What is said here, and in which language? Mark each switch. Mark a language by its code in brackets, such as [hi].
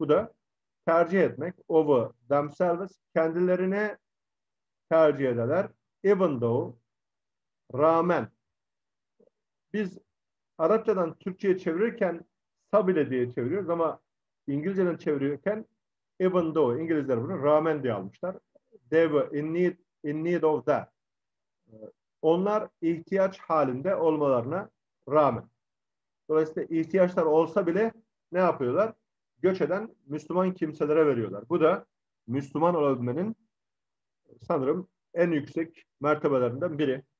[tr] Bu da tercih etmek. [en] Over themselves. [tr] Kendilerine tercih ederler. [en] Even though, [tr] rağmen. Biz Arapçadan Türkçe'ye çevirirken tabile diye çeviriyoruz ama İngilizce'den çevirirken [en] even though, [tr] İngilizler bunu rağmen diye almışlar. [en] They were in need of that. [tr] Onlar ihtiyaç halinde olmalarına rağmen. Dolayısıyla ihtiyaçlar olsa bile ne yapıyorlar? Göç eden Müslüman kimselere veriyorlar. Bu da Müslüman olabilmenin sanırım en yüksek mertebelerinden biri.